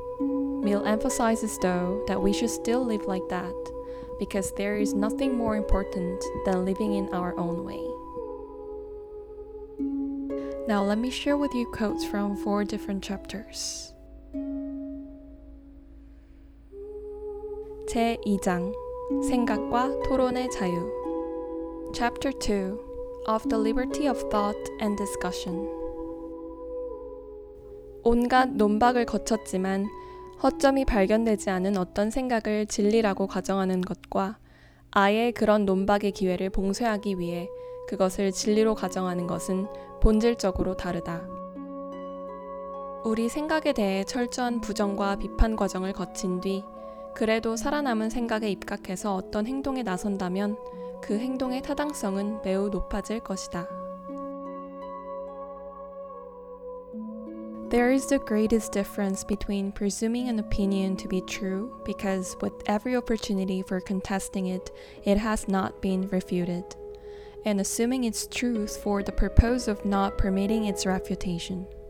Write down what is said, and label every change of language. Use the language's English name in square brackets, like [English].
[English] Mill emphasizes, though, that we should still live like that, because there is nothing more important than living in our own way. Now let me share with you quotes from four different chapters. [Korean] 제2장, 생각과 토론의 자유. [English] Chapter 2, of the liberty of thought and discussion. [Korean] 온갖 논박을 거쳤지만 허점이 발견되지 않은 어떤 생각을 진리라고 가정하는 것과 아예 그런 논박의 기회를 봉쇄하기 위해 그것을 진리로 가정하는 것은 본질적으로 다르다. 우리 생각에 대해 철저한 부정과 비판 과정을 거친 뒤 그래도 살아남은 생각에 입각해서 어떤 행동에 나선다면 그 행동의 타당성은 매우 높아질 것이다. [English] There is the greatest difference between presuming an opinion to be true because with every opportunity for contesting it, it has not been refuted, and assuming its truth for the purpose of not permitting its refutation.